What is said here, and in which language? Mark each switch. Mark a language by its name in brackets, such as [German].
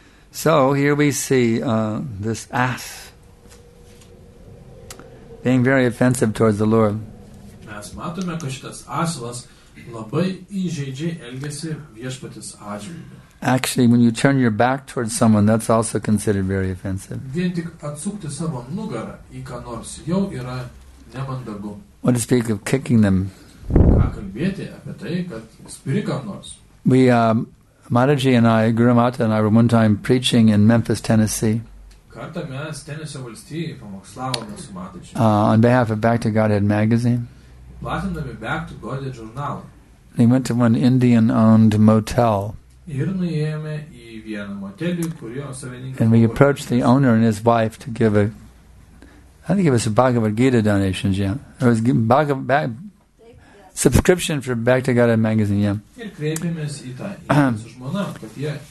[English] So here we see this ass being very offensive towards the Lord. [Lithuanian] Mes matome, kad šitas asilas labai įžeidžiai elgėsi viešpatis atžvilgiu. [English] Actually, when you turn your back towards someone, that's also considered very offensive. [Lithuanian] Vien tik atsukti savo nugarą į ką nors jau yra nemandagu. [English] What to speak of kicking them? [Lithuanian] Ką kalbėti apie tai, kad spiri ką nors? [English] We, Mataji and I, Guru Mata and I were one time preaching in Memphis, Tennessee. [Lithuanian] Kartą mes Tenesio valstijai pamokslavome su Mataji. [English] On behalf of Back to Godhead magazine. [Lithuanian] Platindami Back to Godhead žurnalą. [English] They went to one Indian-owned motel. [Lithuanian] Ir nuėjome į vieną motelį, kurio savininkas. [English] And we approached the owner and his wife to give a, I think it was a Bhagavad Gita donation, yeah. It was subscription for Back to Godhead magazine, yeah. [Lithuanian] Ir kreipėmės į tą įmonės žmoną, kad jie.